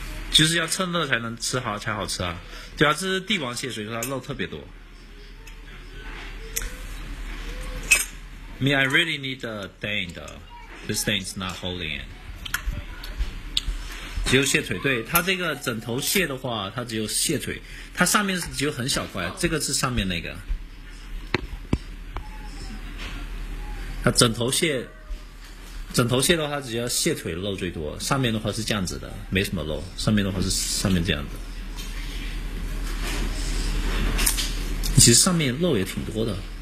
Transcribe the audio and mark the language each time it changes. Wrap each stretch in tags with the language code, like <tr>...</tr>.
<zh>就是要趁热才能吃好，才好吃啊。对啊，这是帝王蟹，所以说它肉特别多。</zh> <en>I really need the thing, though. This thing's not holding it.</en> <zh>只有蟹腿，对，它这个整头蟹的话，它只有蟹腿，它上面只有很小块，这个是上面那个，它整头蟹的话只要蟹腿肉最多，上面的话是这样子的，没什么肉，上面的话是上面这样子，其实上面肉也挺多的。</zh>